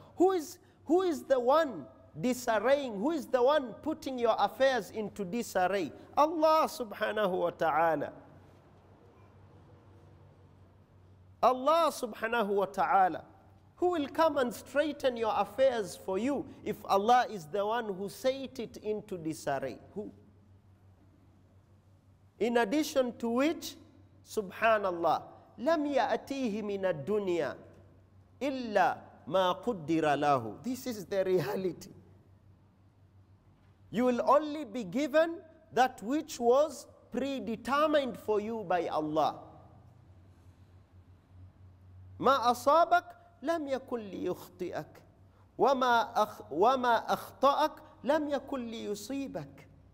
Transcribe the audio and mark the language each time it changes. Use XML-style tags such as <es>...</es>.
<en>Who is the one disarraying? Who is the one putting your affairs into disarray? Allah subhanahu wa ta'ala. Allah subhanahu wa ta'ala. Who will come and straighten your affairs for you if Allah is the one who set it into disarray? Who? In addition to which,</en> <ar>subhanallah, لَمْ يَأْتِيهِ مِنَ الدُّنْيَا إِلَّا مَا قُدِّرَ لَهُ.</ar> <en>This is the reality. You will only be given that which was predetermined for you by Allah.</en> <ar>مَا أَصَابَكْ لَمْ يَكُنْ لِيُخْطِئَكْ وَمَا أَخْطَأَكْ لَمْ يَكُنْ لِيُصِيبَكْ.</ar>